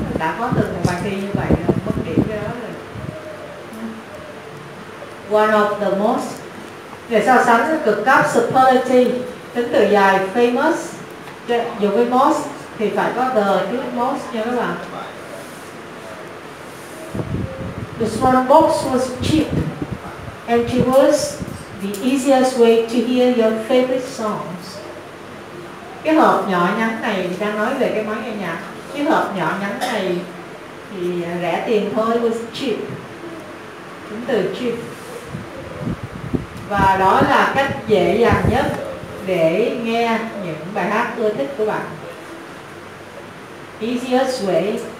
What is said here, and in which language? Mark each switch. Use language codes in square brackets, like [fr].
[vi] Đã có từng một bài thi như vậy, mất điểm cái đó rồi. [en] One of the most, [vi] để so sánh cực cấp, superlative, tính từ dài, famous, dùng cái most thì phải có the trước most nha các bạn. [en] The small box was cheap and it was the easiest way to hear your favorite songs. [vi] Cái hộp nhỏ nhắn này đang nói về cái máy nghe nhạc. Cái hộp nhỏ nhắn này thì rẻ tiền thôi, [en] was cheap. [vi] Chính từ cheap. Và đó là cách dễ dàng nhất để nghe những bài hát ưa thích của bạn. Easiest way.